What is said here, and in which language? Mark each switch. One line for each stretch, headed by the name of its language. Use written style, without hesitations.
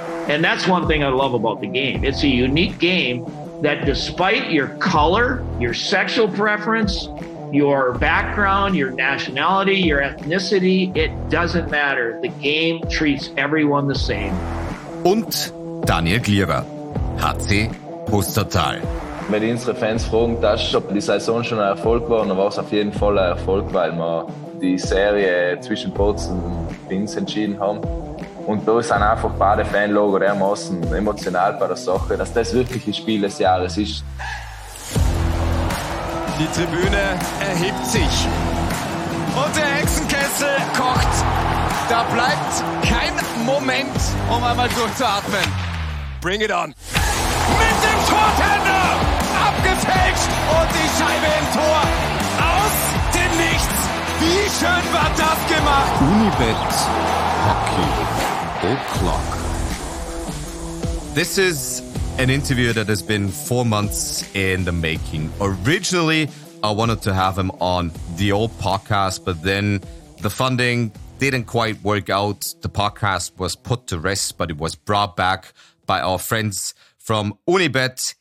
English: And that's one thing I love about the game. It's a unique game that despite your color, your sexual preference, your background, your nationality, your ethnicity, it doesn't matter. The game treats everyone the same.
German: Und Daniel Glierer, HC Pustertal. Mit unseren Fans fragen, dass ob die Saison schon ein Erfolg war, dann war es auf jeden Fall ein Erfolg, weil wir die Serie zwischen Bozen und Pins entschieden haben. Und da sind einfach beide Fanlogo dermaßen emotional bei der Sache, dass das wirklich ein Spiel des Jahres ist. Die Tribüne erhebt sich. Und der Hexenkessel kocht. Da bleibt kein Moment, um einmal durchzuatmen.
English: Bring it on.
German: Mit dem Tortender abgefälscht und die Scheibe im Tor. Aus dem Nichts. Wie schön war das gemacht.
English: Unibet Hockey. O'clock. This is an interview that has been 4 months in the making. Originally, I wanted to have him on the old podcast, but then the funding didn't quite work out. The podcast was put to rest, but it was brought back by our friends from Unibet.